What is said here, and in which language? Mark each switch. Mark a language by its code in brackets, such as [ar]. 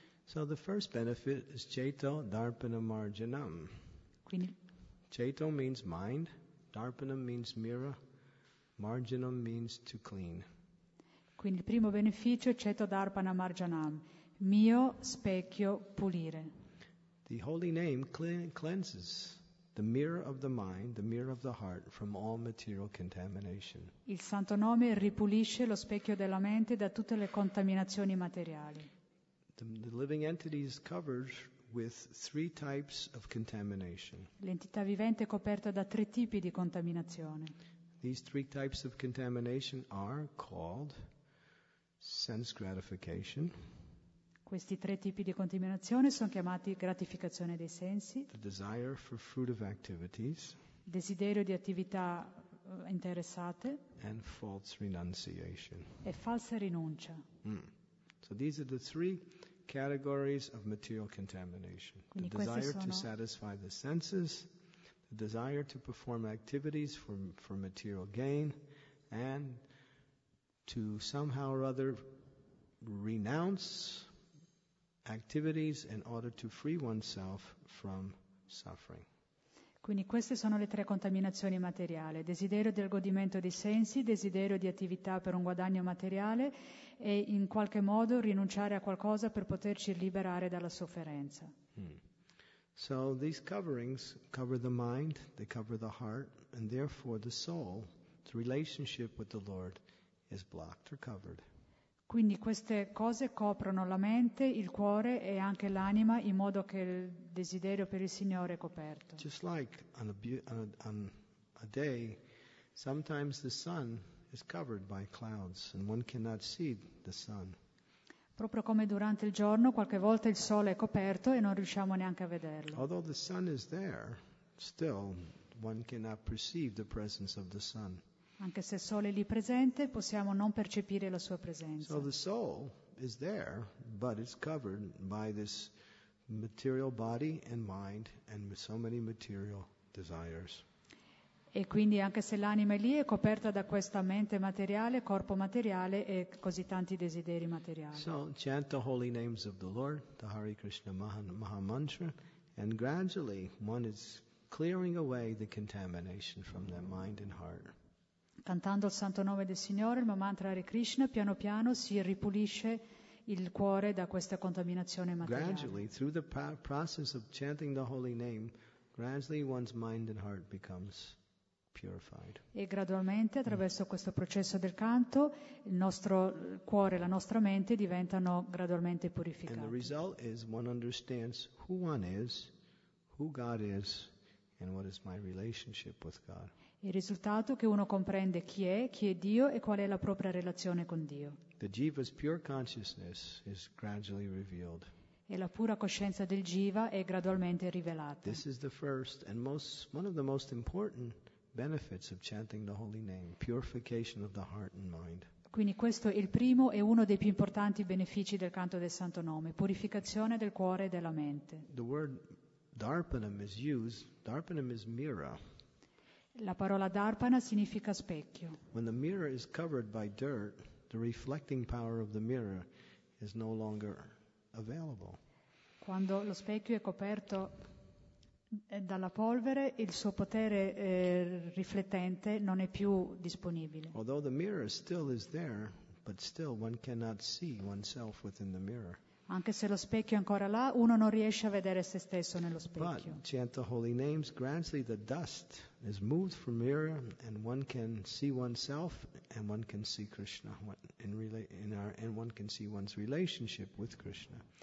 [en] So the first benefit is Cheto Darpana Marjanam. [it] Quindi [en] Cheto means mind, Darpanam means mirror, Marjanam means to clean. [it] Quindi il primo beneficio è Cheto Darpana Marjanam, mio specchio pulire. [en] The holy name cleanses the mirror of the mind, the mirror of the heart, from all material contamination. [it] Il santo nome ripulisce lo specchio della mente da tutte le contaminazioni materiali. [en] The living entity is covered with three types of contamination. [it] L'entità vivente è coperta da tre tipi di contaminazione. [en] These three types of contamination are called sense gratification. [it] Questi tre tipi di contaminazione sono chiamati gratificazione dei sensi, [en] the desire for fruitive activities, [it] desiderio di attività interessate, [en] and false renunciation. [it] E falsa rinuncia. Mm. [en] So these are the three categories of material contamination. [it] Quindi [en] the desire [it] sono [en] to satisfy the senses, the desire to perform activities for material gain, and to somehow or other renounce activities in order to free oneself from suffering. [it] Quindi queste sono le tre contaminazioni materiali: desiderio del godimento dei sensi, desiderio di attività per un guadagno materiale e in qualche modo rinunciare a qualcosa per poterci liberare dalla sofferenza. Hmm. [en] So these coverings cover the mind, they cover the heart, and therefore the soul, the relationship with the Lord, is blocked or covered. [it] Quindi queste cose coprono la mente, il cuore e anche l'anima in modo che il desiderio per il Signore è coperto. [en] Just like on a day, sometimes the sun is covered by clouds and one cannot see the sun. [it] Proprio come durante il giorno, qualche volta il sole è coperto e non riusciamo neanche a vederlo. [en] Although the sun is there, still one cannot perceive the presence of the sun. [it] Anche se il sole è lì presente, possiamo non percepire la sua presenza. [en] So the soul is there, but it's covered by this material body and mind and so many material desires. [it] E quindi anche se l'anima è lì, è coperta da questa mente materiale, corpo materiale e così tanti desideri materiali. [en] So chant the holy names of the Lord, the Hare Krishna Mahamantra, and gradually one is clearing away the contamination from their mind and heart. [it] Cantando il santo nome del Signore, il mantra Hare Krishna, piano piano si ripulisce il cuore da questa contaminazione materiale. [en] Gradually, through the process of chanting the holy name, gradually one's mind and heart becomes purified. [it] E gradualmente, attraverso questo processo del canto, il nostro cuore e la nostra mente diventano gradualmente purificati. [en] And the result is one understands who one is, who God is, and what is my relationship with God. [it] Il risultato è che uno comprende chi è Dio e qual è la propria relazione con Dio. [en] The jiva's pure consciousness is gradually revealed. [it] E la pura coscienza del jiva è gradualmente rivelata. [en] This is the first and most, one of the most important benefits of chanting the holy name, purification of the heart and mind. [it] Quindi questo è il primo e uno dei più importanti benefici del canto del santo nome, purificazione del cuore e della mente. [en] The word darpanam is used, darpanam is mirror. [it] La parola darpana significa specchio. [en] When the mirror is covered by dirt, the reflecting power of the mirror is no longer available. [it] Quando lo specchio è coperto dalla polvere il suo potere riflettente non è più disponibile. [en] Although the mirror still is there, but still one cannot see oneself within the mirror. [it] Anche se lo specchio è ancora là, uno non riesce a vedere se stesso nello specchio. [en] But chant the holy names, gradually the dust is moved from mirror, and one can see oneself, and one can see Krishna and one can see one's relationship with Krishna.